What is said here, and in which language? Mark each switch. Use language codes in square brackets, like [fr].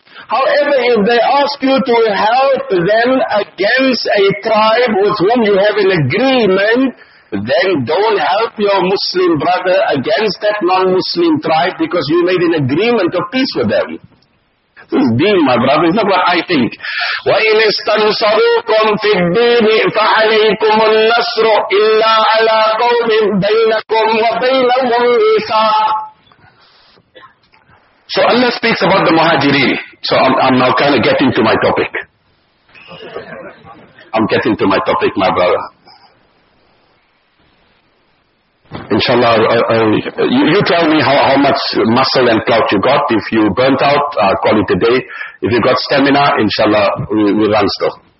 [en] However, if they ask you to help them against a tribe with whom you have an agreement, then don't help your Muslim brother against that non-Muslim tribe because you made an agreement of peace with them. This is deen, my brother. It's not what I think. [ar] وَإِنْ اسْتَنْصَرُوكُمْ فِي الدِّينِ فَعَلَيْكُمُ النَّصْرُ إِلَّا عَلَىٰ قَوْمٍ بَيْنَكُمْ وَبَيْنَهُمْ مِيثَاقٌ [en] So Allah speaks about the muhajireen. So I'm now kind of getting to my topic. I'm getting to my topic, my brother. Inshallah, you tell me how much muscle and clout you got. If you burnt out, call it a day. If you got stamina, inshallah, we run still.